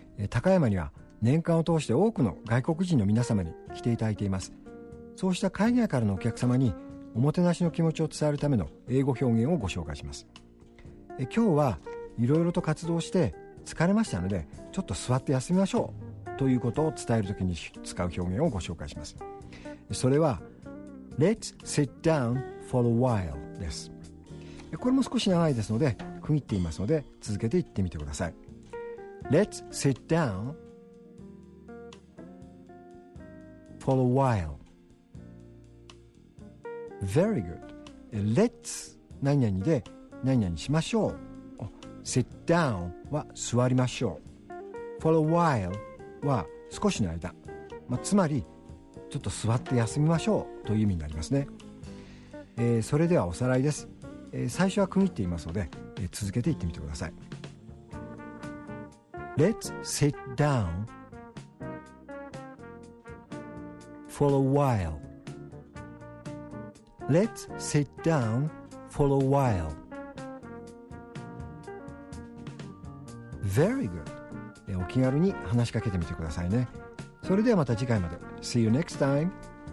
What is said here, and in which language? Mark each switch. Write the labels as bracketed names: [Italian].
[Japanese] 高山には年間を通して多くの外国人の皆様に来ていただいています。そうした海外からのお客様におもてなしの気持ちを伝えるための英語表現をご紹介します。今日はいろいろと活動して疲れましたので、ちょっと座って休みましょうということを伝えるときに使う表現をご紹介します。 [English] それは Let's sit down for a while です。 [Japanese] これも少し長いですので区切っていますので、続けて言ってみてください。 [English] Let's sit down for a while. Very good. [Japanese] Let's 何々で何々しましょう。 Sit down は座りましょう。For a while は少しの間、つまりちょっと座って休みましょうという意味になりますね。それではおさらいです。最初は区切っていますので、続けて言ってみてください。 [English] Let's sit down for a while. Let's sit down for a while. Very good. [Japanese] お気軽に話しかけてみてくださいね。それではまた次回まで。 [English] See you next time.